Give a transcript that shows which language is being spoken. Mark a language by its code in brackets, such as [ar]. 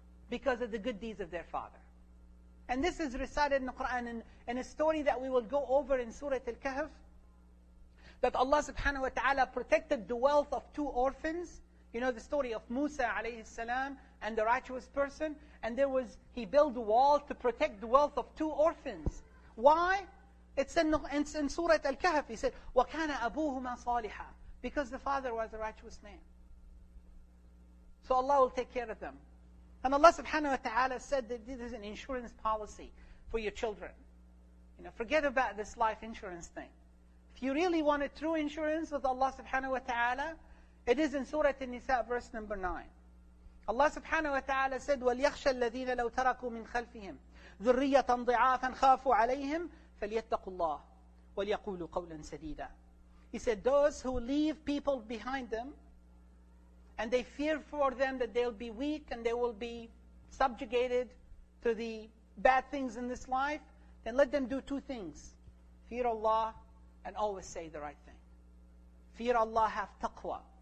[en] Because of the good deeds of their father. And this is recited in the Quran in a story that we will go over in Surah Al-Kahf. That Allah subhanahu wa ta'ala protected the wealth of two orphans. You know the story of Musa alayhi salam and the righteous person. And he built a wall to protect the wealth of two orphans. Why? It's in Surah Al-Kahf. He said, [ar] وَكَانَ أَبُوهُمَا صَالِحًا. [en] Because the father was a righteous man. So Allah will take care of them. And Allah subhanahu wa ta'ala said that this is an insurance policy for your children. You know, forget about this life insurance thing. If you really want a true insurance with Allah subhanahu wa ta'ala, it is in Surah An-Nisa, verse number 9. Allah subhanahu wa ta'ala said, [ar] وَلْيَخْشَ الَّذِينَ لَوْ تَرَكُوا مِنْ خَلْفِهِمْ ذُرِّيَّةً ضِعَافًا خَافُوا عَلَيْهِمْ فَلْيَتَّقُوا اللَّهِ وَلْيَقُولُوا قَوْلًا سَدِيدًا. [en] He said, those who leave people behind them, and they fear for them that they'll be weak and they will be subjugated to the bad things in this life, then let them do two things. Fear Allah and always say the right thing. Fear Allah, have taqwa.